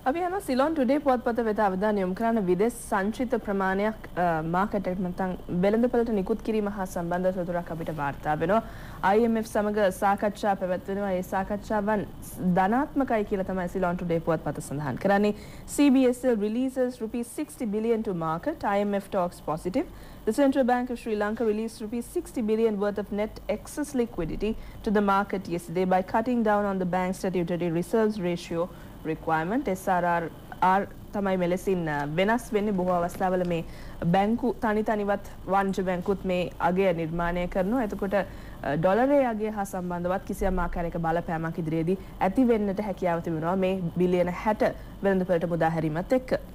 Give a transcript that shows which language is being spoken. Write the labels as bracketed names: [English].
[Sinhala] අපි හන සිලොන් ටුඩේ පුවත්පත වෙත අවධානය යොමු කරන විදෙස් සංචිත ප්‍රමාණයක් මාකට් එකට නැත්නම් වෙළඳපළට නිකුත් කිරීම හා සම්බන්ධ සතුරක් අපිට වාර්තා වෙනවා. IMF සමග සාකච්ඡා පැවැත්වෙනවා. ඒ සාකච්ඡාවන් ධනාත්මකයි කියලා තමයි සිලොන් ටුඩේ පුවත්පත සඳහන් කරන්නේ. [English] CBSL releases rupees 60 billion to market. IMF talks positive. The Central Bank of Sri Lanka released rupees 60 billion worth of net excess liquidity to the market yesterday by cutting down on the bank's statutory reserves ratio requirement. [Sinhala] SRR තමයි මෙලෙසින් වෙනස් වෙන්නේ. බොහෝ අවස්ථාවල මේ බැංකු තනි තනිවත් වාණිජ බැංකුත් මේ අගය නිර්මාණය කරනවා. එතකොට ඩොලරේ අගය හා සම්බන්ධවත් කිසියම් ආකාරයක බලපෑමක් ඉදිරියේදී ඇති වෙන්නට හැකියාව තිබෙනවා මේ බිලියන 60 වෙළඳපළට මුදාහැරීමත් එක්ක.